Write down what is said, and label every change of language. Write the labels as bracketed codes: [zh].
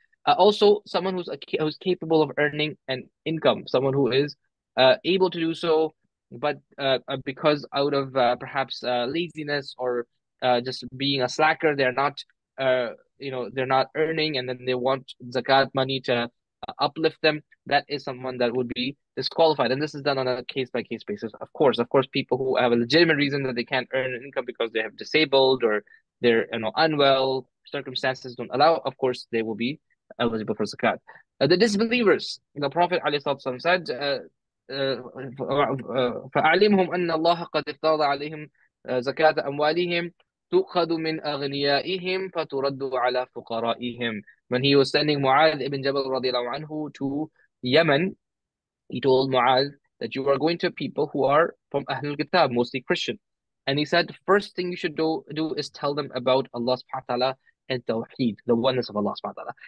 [en] Also, someone who's who's capable of earning an income, someone who is able to do so, but because out of perhaps laziness or just being a slacker, they're not you know, they're not earning, and then they want zakat money to uplift them. That is someone that would be disqualified, and this is done on a case by case basis. Of course, people who have a legitimate reason that they can't earn an income because they have disabled or they're, you know, unwell, circumstances don't allow, of course they will be eligible for zakat. The disbelievers, the Prophet ﷺ said, [ar] فَأَعْلِمْهُمْ أَنَّ اللَّهَ قَدْ افْتَرَضَ عَلَيْهِمْ زَكَاةَ أَمْوَالِهِمْ تُؤْخَذُ مِنْ أَغْنِيَائِهِمْ فَتُرَدُّ عَلَى فُقَرَائِهِمْ. [en] When he was sending Mu'adh ibn Jabal [ar] رضي الله عنه [en] to Yemen, he told Mu'adh that you are going to people who are from Ahlul Kitab, mostly Christian. And he said, first thing you should do is tell them about Allah subhanahu wa ta'ala and Tawheed, the oneness of Allah subhanahu wa ta'ala.